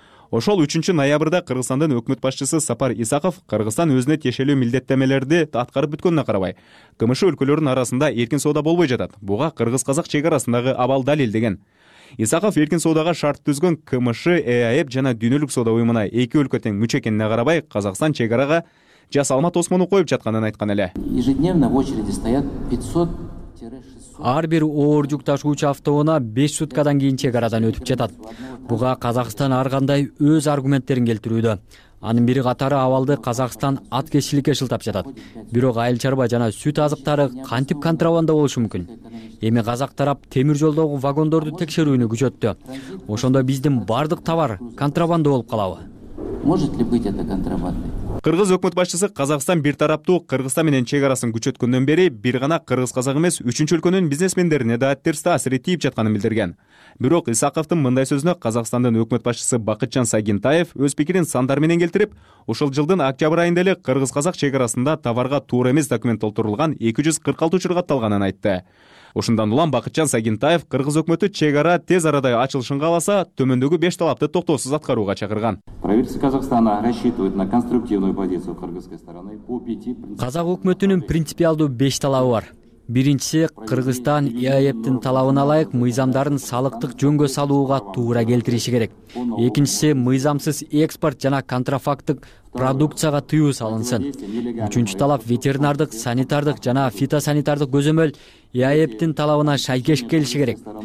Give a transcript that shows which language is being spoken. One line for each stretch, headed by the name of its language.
Kyrgyz: Ошол 3-ноябрда Кыргызстандын өкмөт башчысы Сапар Исаков Кыргызстан өзүнө тиешелүү милдеттемелерди аткарып бүткөнүнө карабай, КМШ өлкөлөрүнүн арасында эркин соода болбой жатат. Буга кыргыз казак чек арасындагы абал далил деген. Исаков эркин соодага шарт түзгөн КМШ, ЭАЭП жана дүйнөлүк соода уюмуна эки өлкө тең мүчө экенине карабай, Казакстан чек арага жасалма тосмону коюп жатканын айткан эле.
Russian: Ежедневно в очереди стоят 500-600.
Kyrgyz: Ар бир оор жүк ташуучу автоуна 5 суткадан кийин чек арадан өтүп жатат. Буга Казакстан ар кандай өз аргументтерин келтирүүдө. Анын бири катары абалды Казакстан аткечиликке шылтап жатат. Бирок айыл чарба жана сүт азыктары кантип контрабанда болушу мүмкүн? Эми казак тарап темир жолдогу вагондорду текшерүүнү күчөттү. Ошондо биздин бардык товар контрабанда болуп калабы?
Russian: Может ли быть это контрабандой?
Kyrgyz: Кыргыз өкмөт башчысы Казакстан бир тараптуу Кыргызстан менен чек арасын күчөткөндөн бери бир гана кыргыз казак эмес үчүнчү өлкөнүн бизнесмендерине да терси таасири тийип жатканын билдирген. Бирок Исаковдун мындай сөзүнө Казакстандын өкмөт башчысы Бакытжан Сагинтаев өз пикирин сандар менен келтирип, ушул жылдын октябрь айында эле кыргыз казак чек арасында товарга туура эмес документ толтурулган 246 учур катталганын айтты. Ушундан улам Бакытжан Сагинтаев кыргыз өкмөтү чек ара тез арада ачылышын кааласа төмөндөгү 5 талапты токтоосуз аткарууга чакырган.
Russian: Правительство Казахстана рассчитывает на конструктивную позицию кыргызской стороны по 5
Kyrgyz: принципиалдуу. Казак өкмөтүнүн принципиалдуу 5 талабы бар. Биринчиси, Кыргызстан ИАЭПтин талабына ылайык мыйзамдарын салыктык жөнгө салууга туура келтириши керек. Экинчиси, мыйзамсыз экспорт жана контрафактык продукцияга тыюу салынсын. Үчүнчү талап ветеринардык, санитардык жана фитосанитардык көзөмөл ИАЭПтин талабына шайкеш келиши керек.